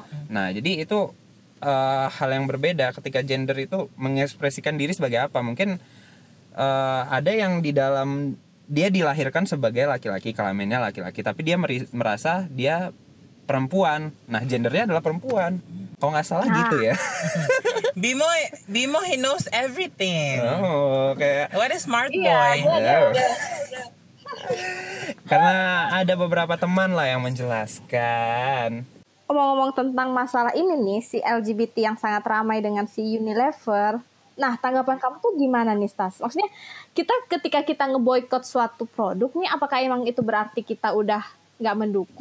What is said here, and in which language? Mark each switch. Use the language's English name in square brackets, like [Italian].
[Indonesian] Nah, jadi itu hal yang berbeda ketika gender itu mengekspresikan diri sebagai apa. Mungkin ada yang di dalam dia dilahirkan sebagai laki-laki, kelaminnya laki-laki, tapi dia merasa dia perempuan. Nah, gendernya adalah perempuan. Kalau nggak salah gitu ya. [English] Bimo, he knows everything. What a smart boy. [Indonesian] Karena ada beberapa teman lah yang menjelaskan. Ngomong-ngomong tentang masalah ini nih, si LGBT yang sangat ramai dengan si Unilever. Nah, tanggapan kamu tuh gimana nih, Stas? Maksudnya, kita ketika kita ngeboikot suatu produk nih, apakah emang itu berarti kita udah gak mendukung?